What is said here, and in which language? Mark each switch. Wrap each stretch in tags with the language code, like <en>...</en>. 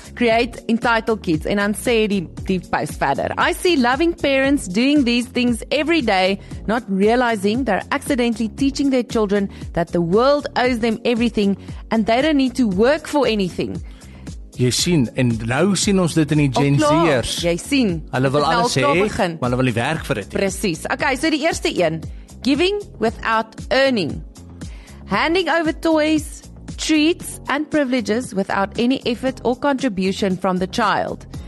<en>Create entitled kids,</en> <af>en dan sê die post verder,</af> <en>I see loving parents doing these things every day, not realizing they're accidentally teaching their children that the world owes them everything and they don't need to work for anything.</en> <af>Jy sien, en nou sien ons dit in die Gen Z'ers. Jy sien. Hulle wil alles hê, maar hulle wil die werk vir dit. Precies. Okay, so die eerste een,</af> <en>giving without earning. Handing over toys, treats and privileges without any effort or contribution from the child.</en>